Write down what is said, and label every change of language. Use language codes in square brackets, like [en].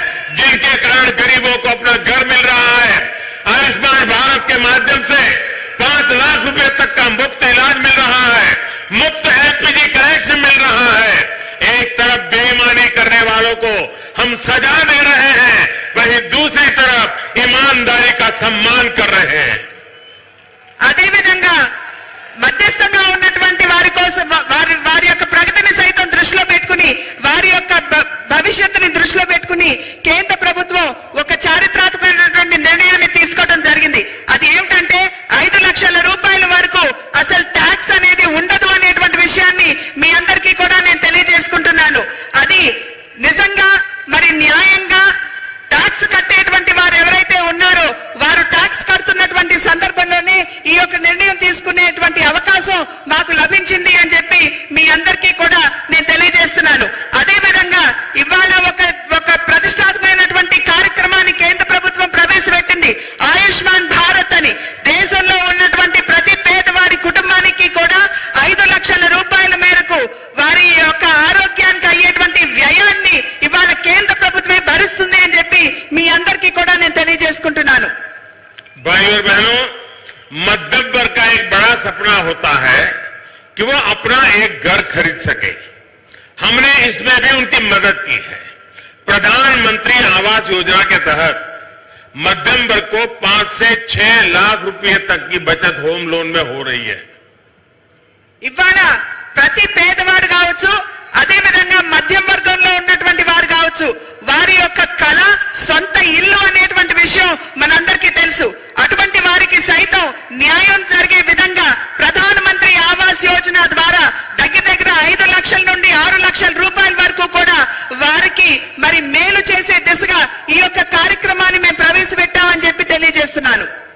[hi] योजना के कारण गरीबों को अपना घर मिल रहा है। आयुष्मान भारत के माध्यम से 5 लाख रुपए तक का मुफ्त इलाज मिल रहा है, मुफ्त एलपीजी कनेक्शन मिल रहा है। एक तरफ बेईमानी करने वालों को हम सजा दे रहे हैं, वहीं दूसरी तरफ ईमानदारी का सम्मान कर रहे हैं। [te] అదే విధంగా మధ్యస్థంగా ఉన్నటువంటి వారి కోసం వారి వారి యొక్క ప్రగతిని సైతం దృష్టిలో పెట్టుకుని వారి యొక్క భవిష్యత్తుని దృష్టిలో పెట్టుకుని కేంద్ర ప్రభుత్వం ఒక చారిత్రాత్మకమైనటువంటి నిర్ణయాన్ని తీసుకోవడం జరిగింది. అది ఏమిటంటే 5 లక్షల రూపాయల వరకు అసలు ట్యాక్స్ అనేది ఉండదు అనేటువంటి విషయాన్ని మీ అందరికీ కూడా నేను తెలియజేసుకుంటున్నాను. అది నిజంగా మరి న్యాయంగా ట్యాక్స్ కట్టేటువంటి వారు ఎవరైతే ఉన్నారో వారు ట్యాక్స్ కడుతున్నటువంటి సందర్భంలోనే ఈ యొక్క నిర్ణయం తీసుకునేటువంటి అవకాశం మాకు లభించింది అని చెప్పి మీ అందరికీ కూడా నేను తెలియజేస్తున్నాను. అదేవిధంగా ఇవాళ ఒక ప్రతిష్టాత్మకమైనటువంటి కార్యక్రమాన్ని కేంద్ర ప్రభుత్వం ప్రవేశపెట్టింది, ఆయుష్మాన్ భారత్ అని. దేశంలో ఉన్నటువంటి ప్రతి పేదవాడి కుటుంబానికి కూడా 5 లక్షల రూపాయల మేరకు వారి యొక్క ఆరోగ్యానికి అయ్యేటువంటి వ్యయాన్ని ఇవాళ కేంద్ర ప్రభుత్వమే భరిస్తుంది అని చెప్పి మీ అందరికీ కూడా నేను తెలియజేసుకుంటున్నాను. [hi] भाइयों और बहनों, मध्यम वर्ग का एक बड़ा सपना होता है कि वह अपना एक घर खरीद सके। हमने इसमें भी उनकी मदद की है। प्रधानमंत्री आवास योजना के तहत मध्यम वर्ग को 5 से 6 लाख रुपए तक की बचत होम लोन में हो रही है। [te] इवाला प्रति पेदवाड़ गावचु అదే విధంగా మధ్యమ వర్గంలో ఉన్నటువంటి వారు కావచ్చు, వారి యొక్క కళ సొంత ఇల్లు అనేటువంటి విషయం మనందరికీ తెలుసు. అటువంటి వారికి సైతం న్యాయం జరిగే విధంగా ప్రధానమంత్రి ఆవాస్ యోజన ద్వారా దగ్గర దగ్గర 5 లక్షల నుండి 6 లక్షల రూపాయల వరకు కూడా వారికి మరి మేలు చేసే దిశగా ఈ యొక్క కార్యక్రమాన్ని మేము ప్రవేశపెట్టామని చెప్పి తెలియజేస్తున్నాను.